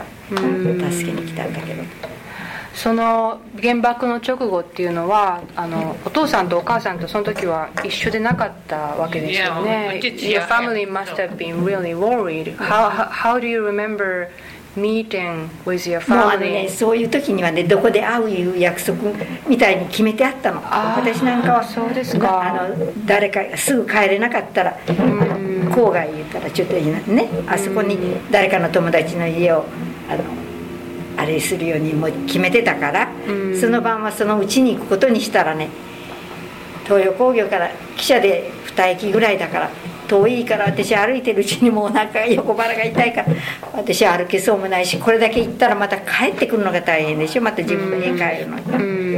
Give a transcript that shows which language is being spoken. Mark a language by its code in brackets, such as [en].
[ja] うん、助けに来たんだけど、その原爆の直後っていうのは、あのお父さんとお母さんとその時は一緒でなかったわけですよね。 [en] Your family must have been really worried. How do you remember meeting with your family? [ja] もうあの、ね、そういう時にはね、どこで会ういう約束みたいに決めてあったの。あ、私なんかはそうですか、あの誰かすぐ帰れなかったら、郊外行ったらちょっといいね、あそこに誰かの友達の家をあれするようにもう決めてたから、その晩はそのうちに行くことにしたらね、東洋工業から汽車で2駅ぐらいだから遠いから、私歩いてるうちにもうお腹が、横腹が痛いから、私歩けそうもないし、これだけ行ったらまた帰ってくるのが大変でしょ、また自分の家帰るのに。